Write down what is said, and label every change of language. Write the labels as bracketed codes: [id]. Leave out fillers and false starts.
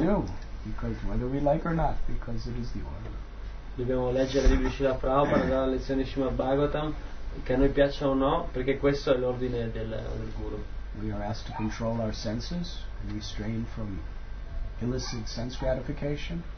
[en] we do, because whether we like or not, because it is the order. [it] Dobbiamo leggere libri Srila Prabhupada, dare lezioni di Srimad Bhagavatam, che a noi piaccia o no, perché questo è l'ordine del Guru. [en] We are asked to control our senses and restrain from illicit sense gratification.